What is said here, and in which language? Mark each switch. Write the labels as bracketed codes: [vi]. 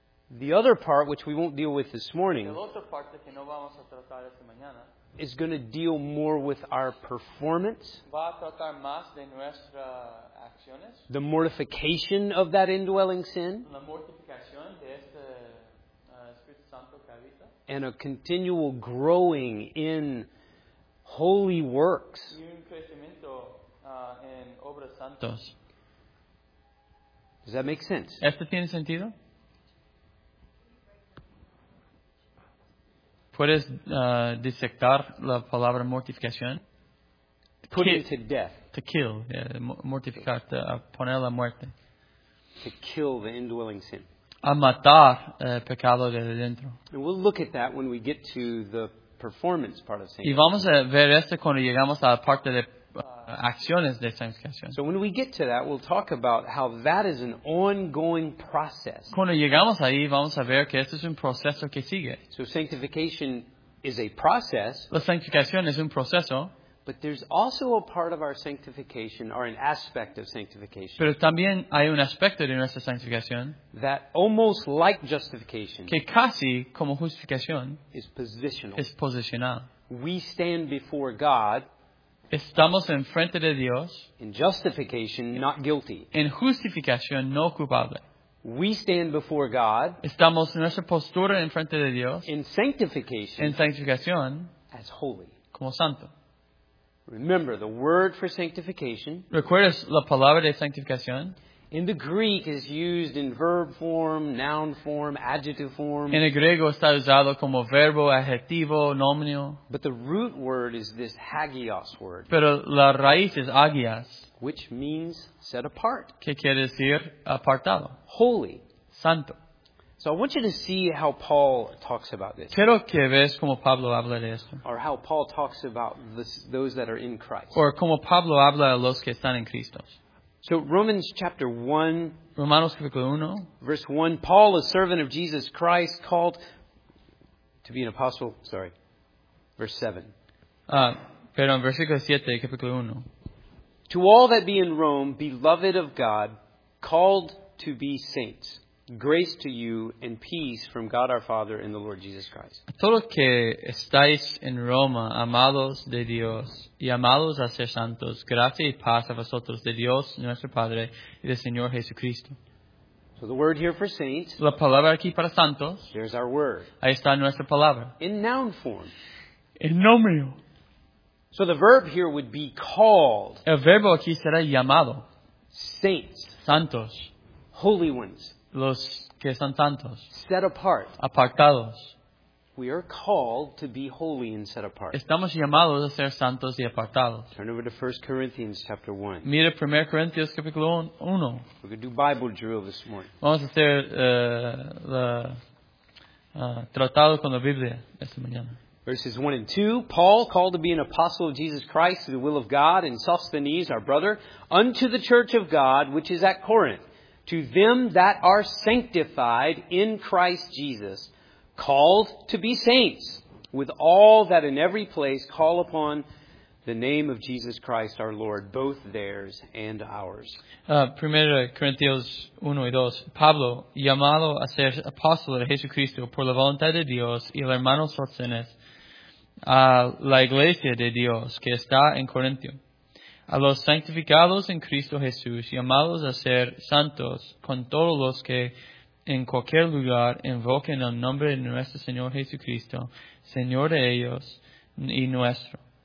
[en] The other part, which we won't deal with this morning, [es] el otro parte que no vamos a tratar esta mañana, [en] is going to deal more with our performance. [es] Va a tratar más de nuestra acciones. [en] The mortification of that indwelling sin. [es] La mortificación de este, Espíritu Santo que habita. [en] And a continual growing in holy works. [es] Y un crecimiento, en obras santas. [en] Does that make sense? [es] ¿Esto tiene sentido? ¿Puedes disectar la palabra mortificación? [en] Put into death. To kill. Yeah, [es] mortificar. A poner la muerte. [en] To kill the indwelling sin. [es] A matar el pecado de dentro. [en] And we'll look at that when we get to the performance part of sanctification. [es] Y vamos a ver esto cuando llegamos a la parte de acciones de sanctificación. [en] So when we get to that, we'll talk about how that is an ongoing process. [es] Cuando llegamos ahí, vamos a ver que esto es un proceso que sigue. [en] So sanctification is a process. [es] La sanctificación es un proceso. [en] But there's also a part of our sanctification, or an aspect of sanctification. [es] Pero también hay un aspecto de nuestra sanctificación. [en] That almost like justification. [es] Que casi como justificación. [en] Is positional. [es] Es posicional. [en] We stand before God. [es] Estamos en frente de Dios. [en] In justification, not guilty. [es] En justificación, no culpable. [en] We stand before God. [es] Estamos en nuestra postura en frente de Dios. [en] In sanctification. [es] En santificación. [en] As holy. [es] Como santo. [en] Remember the word for sanctification. [es] ¿Recuerdas la palabra de santificación? [en] In the Greek, is used in verb form, noun form, adjective form. [es] En el griego está usado como verbo, adjetivo, nominio. [en] But the root word is this hagios word. [es] Pero la raíz es hagias. [en] Which means set apart. [es] ¿Qué quiere decir apartado? [en] Holy. [es] Santo. [en] So I want you to see how Paul talks about this. [es] Quiero que veas cómo Pablo habla de esto. [en] Or how Paul talks about this, those that are in Christ. [es] Or cómo Pablo habla a los que están en Cristo. [en] So Romans chapter 1, [es] Romanos capítulo 1, [en] verse 1, Paul, a servant of Jesus Christ, called to be an apostle, verse 7. [es] Versículo 7, capítulo 1. [en] To all that be in Rome, beloved of God, called to be saints, grace to you and peace from God our Father and the Lord Jesus Christ. [es] A todos que estáis en Roma, amados de Dios y amados a ser santos, gracia y paz a vosotros de Dios nuestro Padre y del Señor Jesucristo. [en] So the word here for saints. [es] La palabra aquí para santos. [en] There's our word. [es] Ahí está nuestra palabra. [en] In noun form. [es] En nominio. [en] So the verb here would be called. [es] El verbo aquí será llamado. [en] Saints. [es] Santos. [en] Holy ones. [es] Los que están santos. [en] Set apart. [es] Apartados. [en] We are called to be holy and set apart. [es] Estamos llamados a ser santos y apartados. [en] Turn over to 1 Corinthians chapter 1. [es] Mira 1 Corinthians capítulo 1. [en] We're going to do Bible drill this morning. [es] Vamos a hacer tratado con la Biblia esta mañana. [en] Verses 1 and 2. Paul, called to be an apostle of Jesus Christ through the will of God, and Sosthenes, our brother, unto the church of God which is at Corinth. To them that are sanctified in Christ Jesus, called to be saints, with all that in every place call upon the name of Jesus Christ our Lord, both theirs and ours. [es] 1 Corintios 1 y 2. Pablo, llamado a ser apóstol de Jesucristo por la voluntad de Dios y el hermano Sosthenes, a la iglesia de Dios que está en Corintio. A los santificados en Cristo Jesús, llamados a ser santos, con todos los que en cualquier lugar invoquen el nombre de nuestro Señor Jesucristo, Señor de ellos y nuestro.